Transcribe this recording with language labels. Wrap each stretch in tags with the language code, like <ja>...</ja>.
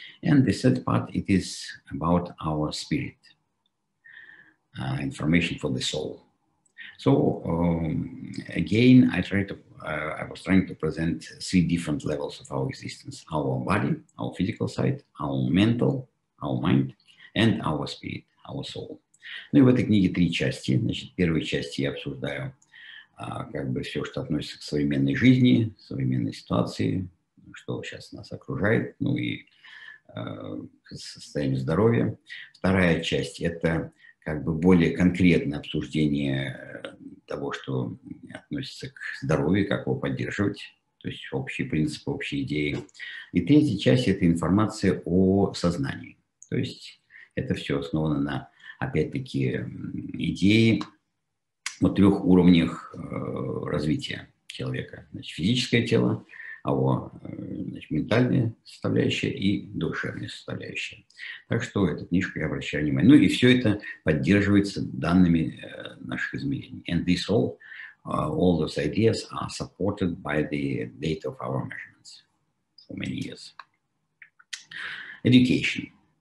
<en>And the third part, it is about our spirit, information for the soul. So again, I was trying to present three different levels of our existence, our body, our physical side, our mental, our mind, and our spirit, our soul.</en> <ru>Ну и в этой книге три части. Значит, в первой части я обсуждаю как бы все, что относится к современной жизни, современной ситуации, что сейчас нас окружает, ну и состояние здоровья. Вторая часть – это как бы более конкретное обсуждение того, что относится к здоровью, как его поддерживать, то есть общие принципы, общие идеи. И третья часть – это информация о сознании. То есть это все основано на, опять-таки, идее о трех уровнях развития человека. Значит, физическое тело, а его, значит, ментальная составляющая и душевная составляющая. Так что эта книжка, я обращаю внимание. Ну и все это поддерживается данными наших измерений.</ru> <en>And this all those ideas are supported by the data of our measurements for many years. Education.</en>